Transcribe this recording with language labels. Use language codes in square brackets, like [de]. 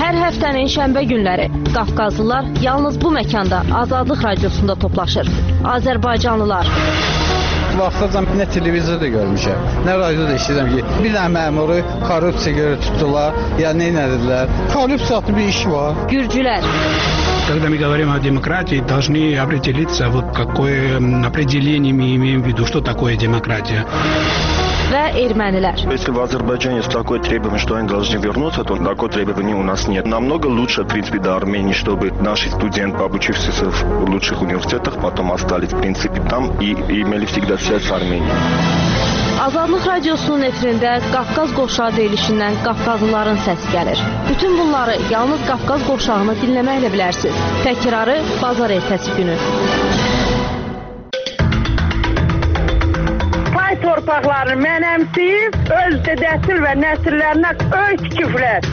[az] Həftənin şənbə günləri Qafqazlılar yalnız bu məkanda Azadlıq Radiosunda toplaşır. Azərbaycanlılar. Vaxtacan nə televizorda görmüşəm, nə radioda işləyirəm ki, bir dənə məmuru korrupsiya görə tutdular, ya nə edirlər? Korrupsiya adlı bir iş var. Gürcülər. [ru] Когда мы говорим о демократии, должны определиться, вот какое определение мы имеем в виду, что такое демократия. [az] Və ermənilər. [ru] Если в Азербайджане есть такое требование, что они должны вернуться, то такое требование у нас нет. Намного лучше, в принципе, до Армении, чтобы наши студенты, обучившиеся в лучших университетах, потом остались, в принципе, там и имели всегда связь с Арменией. [az] Azadlıq Radiosunun efirində Qafqaz Qovşağı deyilişindən Qafqazlıların səsi gəlir. Bütün bunları yalnız Qafqaz Qovşağını dinləməklə bilərsiniz. Təkrarı bazar ertəsi günü. Pay torpaqları mənəmsəyib, öz dedəsi və nəsillərinə öz küflər.